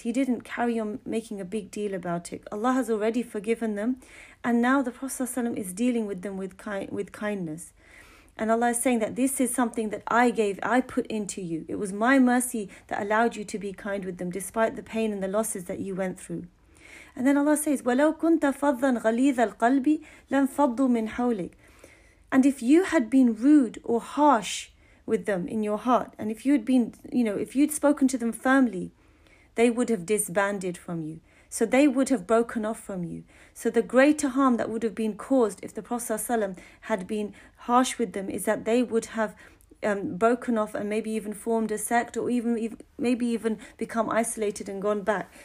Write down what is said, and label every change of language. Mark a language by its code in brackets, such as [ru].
[en] He didn't carry on making a big deal about it. Allah has already forgiven them. And now the Prophet ﷺ is dealing with them with kindness. And Allah is saying that this is something that I put into you. It was my mercy that allowed you to be kind with them, despite the pain and the losses that you went through. And then Allah says, [ar] وَلَوْ كُنْتَ فَضًّا غَلِيظَ الْقَلْبِ لَنْ فَضُّوا مِنْ حَوْلِكَ. [en] And if you had been rude or harsh with them in your heart, and if you had been, if you'd spoken to them firmly, they would have disbanded from you. So they would have broken off from you. So the greater harm that would have been caused if the Prophet ﷺ had been harsh with them is that they would have broken off and maybe even formed a sect, or even become isolated and gone back.